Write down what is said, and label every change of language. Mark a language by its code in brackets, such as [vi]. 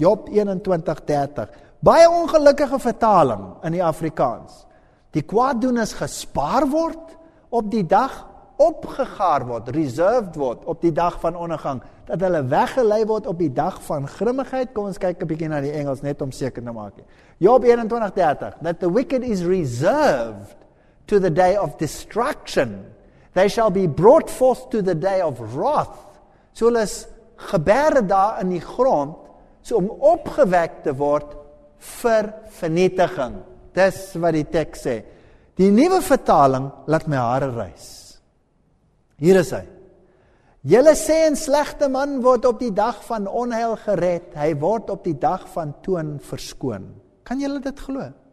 [af] Job 21:30. Baie ongelukkige vertaling in die Afrikaans. Die kwaaddoeners gespaar word op die dag, opgegaar word, reserved word op die dag van ondergang, dat hulle weggelei word op die dag van grimmigheid. Kom ons kyk 'n bietjie na die Engels net om seker te maak. [en] Job 21:30, that the wicked is reserved to the day of destruction. They shall be brought forth to the day of wrath. [af] So hulle is geberre daar in die grond, so om opgewek te word vir vernietiging. Dis wat die teks sê. Die nuwe vertaling laat my hare rys. Hier is hy. Julle sê 'n slegte man word op die dag van onheil gered, hy word op die dag van toorn verskoon. Kan julle dit glo?